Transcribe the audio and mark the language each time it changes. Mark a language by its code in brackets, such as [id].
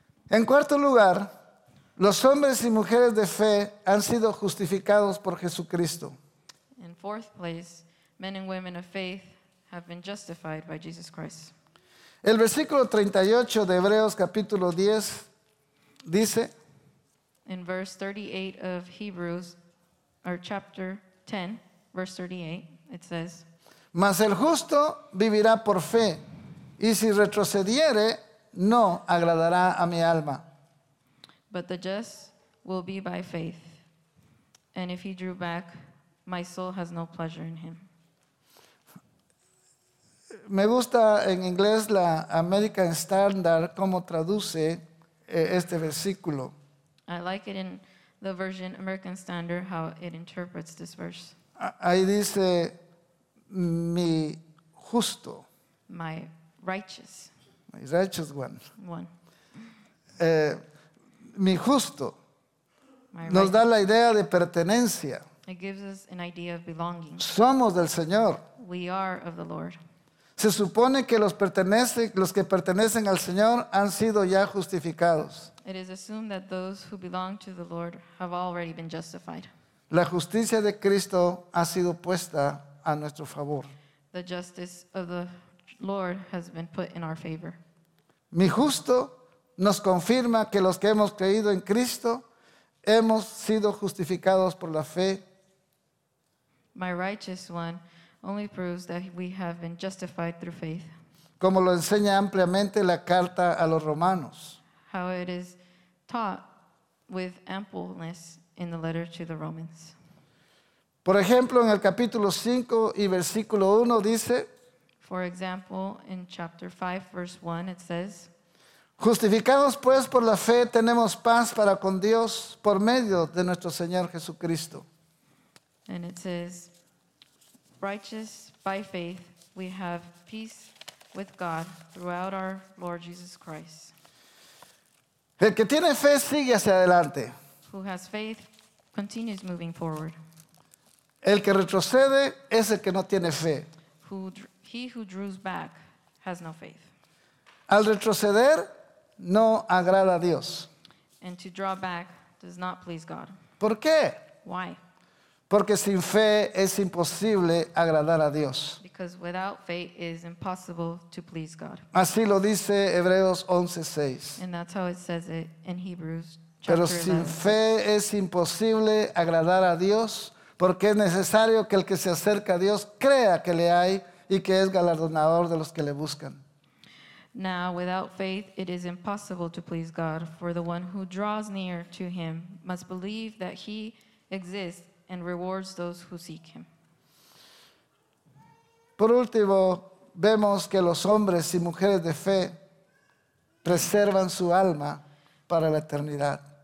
[es] En cuarto lugar, los hombres y mujeres de fe han sido justificados por Jesucristo. [en] In fourth place, men and women of faith have been justified by Jesus Christ. [es] El versículo 38 de Hebreos capítulo 10 dice, [en] In verse 38 of Hebrews, or chapter 10, verse 38, it says, [es] Mas el justo vivirá por fe, y si retrocediere, no agradará a mi alma. [en] But the just will be by faith, and if he drew back, my soul has no pleasure in him. [es] Me gusta en inglés la American Standard cómo traduce este versículo. [en] I like it in the version American Standard how it interprets this verse. [es] Ahí dice mi justo. [en] My righteous. My righteous one. One. [es] Mi justo. [en] My Nos righteous. [es] Da la idea de pertenencia. [en] It gives us an idea of belonging. [es] Somos del Señor. [en] We are of the Lord. [es] Se supone que los que pertenecen al Señor han sido ya justificados. [en] It is assumed that those who belong to the Lord have already been justified. [es] La justicia de Cristo ha sido puesta a nuestro favor. [en] The justice of the Lord has been put in our favor. [es] Mi justo nos confirma que los que hemos creído en Cristo hemos sido justificados por la fe. [en] My righteous one only proves that we have been justified through faith. [es] Como lo enseña ampliamente la carta a los romanos. [en] How it is taught with ampleness in the letter to the Romans. [es] Por ejemplo, en el capítulo 5 y versículo 1 dice, [en] For example, in chapter 5, verse 1, it says, [es] Justificados pues por la fe, tenemos paz para con Dios por medio de nuestro Señor Jesucristo. [en] And it says, Righteous by faith, we have peace with God throughout our Lord Jesus Christ. [es] El que tiene fe sigue hacia adelante. [en] Who has faith continues moving forward. [es] El que retrocede es el que no tiene fe. [en] He who draws back has no faith. [es] Al retroceder no agrada a Dios. [en] And to draw back does not please God. [es] ¿Por qué? [en] Why? [es] Porque sin fe es imposible agradar a Dios. [en] Because without faith is impossible to please God. [es] Así lo dice Hebreos 11:6. [en] And that's how it says it in Hebrews chapter 11. [es] Pero sin fe es imposible agradar a Dios, porque es necesario que el que se acerca a Dios crea que le hay y que es galardonador de los que le buscan. [en] Now, without faith, it is impossible to please God, for the one who draws near to him must believe that he exists and rewards those who seek him. [es] Por último, vemos que los hombres y mujeres de fe preservan su alma para la eternidad.